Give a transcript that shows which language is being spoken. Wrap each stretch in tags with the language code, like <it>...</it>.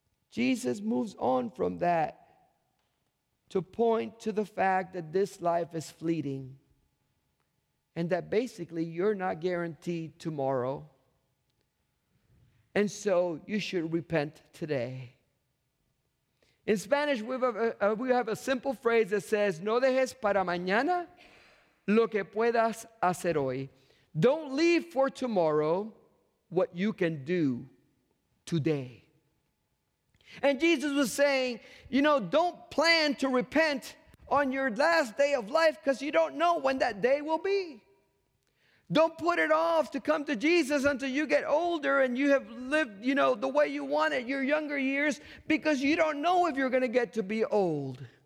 <en>Jesus moves on from that to point to the fact that this life is fleeting and that basically you're not guaranteed tomorrow. And so you should repent today. In Spanish, we have a simple phrase that says,</en> <es>no dejes para mañana lo que puedas hacer hoy.</es> <en>Don't leave for tomorrow what you can do today. And Jesus was saying, you know, don't plan to repent on your last day of life because you don't know when that day will be. Don't put it off to come to Jesus until you get older and you have lived, you know, the way you wanted your younger years, because you don't know if you're going to get to be old.</en>